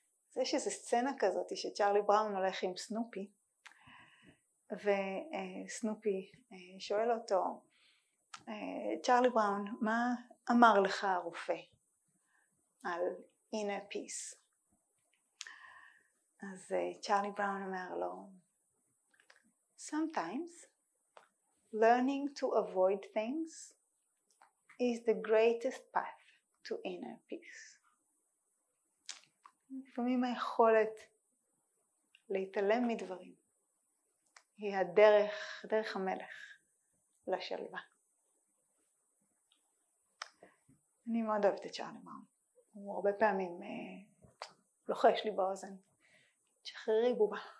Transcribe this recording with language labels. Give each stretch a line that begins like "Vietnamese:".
Hebrew: אז יש איזו סצנה כזאת שצ'רלי בראון הולך עם סנופי, וסנופי שואל אותו, צ'רלי בראון, מה אמר לך הרופא על inner peace? אז צ'רלי בראון אומר לו,
English: sometimes learning to avoid things is the greatest path to inner peace.
Hebrew: לפעמים היכולת להתעלם מדברים היא הדרך, דרך המלך לשלווה. אני מאוד אוהבת את צ'רלי בראון. הוא הרבה פעמים לוחש לי באוזן. תשחררי בובה.